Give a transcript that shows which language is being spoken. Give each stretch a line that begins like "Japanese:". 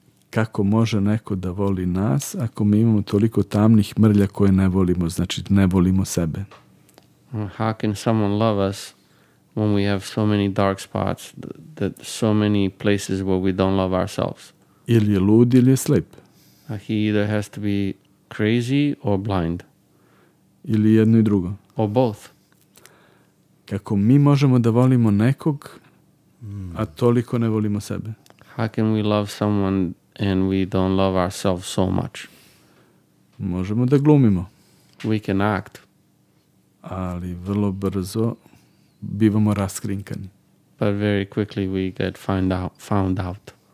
Serbian: Kako može neko da voli nas ako mi imamo toliko tamnih mrlja koje ne volimo, znači ne volimo sebe.
English: How can someone love us when we have so many dark spots, that so many places where we don't love ourselves?
Serbian: Ili je lud ili je slep.
English: He either has to be crazy or blind.
Serbian: Ili jedno i drugo.
English: Or both.
Serbian: Kako mi možemo da volimo nekog, a toliko ne volimo sebe?
English: How can we love someone and we don't love ourselves so much?
Serbian: Možemo da glumimo.
English: We can act.
Serbian: Ali vrlo brzo bivamo raskrinkani.
English: But very quickly we get found out.